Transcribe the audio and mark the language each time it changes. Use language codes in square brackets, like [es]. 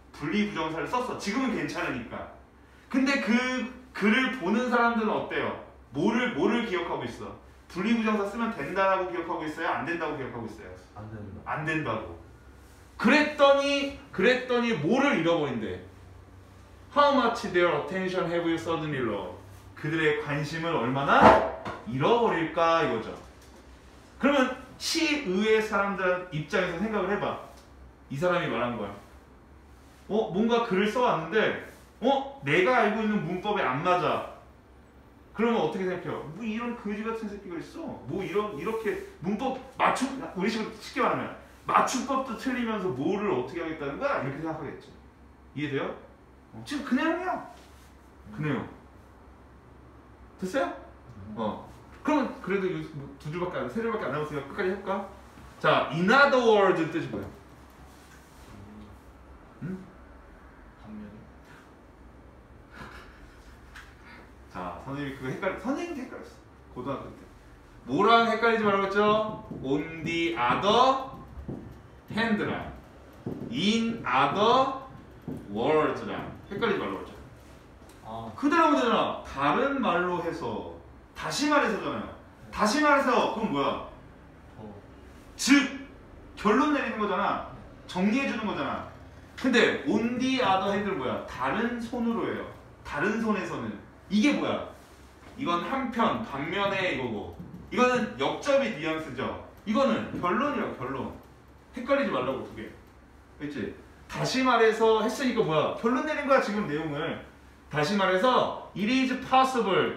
[ko] 분리부정사를 썼어. 지금은 괜찮으니까. 근데 그 글을 보는 사람들은 어때요? 뭐를 기억하고 있어? 분리부정사 쓰면 된다라고 기억하고 있어요? 안 된다고 기억하고 있어요? 안 된다. 안 된다고. 그랬더니 뭐를 잃어버린대. [en] How much their attention have you suddenly lost? [ko] 그들의 관심을 얼마나 잃어버릴까 이거죠. 그러면 시의회 사람들 입장에서 생각을 해봐. 이 사람이 말한 거야. 뭔가 글을 써왔는데 내가 알고 있는 문법에 안 맞아. 그러면 어떻게 생각해요? 뭐 이런 거지 같은 새끼가 있어. 뭐 이렇게 문법 맞춤, 우리 식으로 쉽게 말하면 맞춤법도 틀리면서 뭐를 어떻게 하겠다는 거야? 이렇게 생각하겠죠. 이해돼요? 지금 그 내용이야. 그 내용. 됐어요? 그럼 그래도 두 줄밖에 안, 세 줄밖에 안 남았으니까 끝까지 해볼까? 자, [en] in other words [ko] 뜻이 뭐예요? 자, 선생님이 그거 헷갈려. 선생님도 헷갈렸어. 고등학교 때. 뭐랑 헷갈리지 말라고 했죠? [en] On the other hand랑 in other words랑 [ko] 헷갈리지 말라고 했죠. 그대로 하면 되잖아. 다른 말로 해서. 다시 말해서잖아요. 다시 말해서. 그건 뭐야? 즉, 결론 내리는 거잖아. 정리해 주는 거잖아. 근데 [en] On the other hand은 [ko] 뭐야? 다른 손으로 해요. 다른 손에서는. 이게 뭐야? 이건 한편, 반면에 이거고. 이거는 역접이 뉘앙스죠. 이거는 결론이라고, 결론. 헷갈리지 말라고, 두 개. 그치? 다시 말해서 했으니까 뭐야? 결론 내린 거야, 지금 내용을. 다시 말해서, [en] it is possible.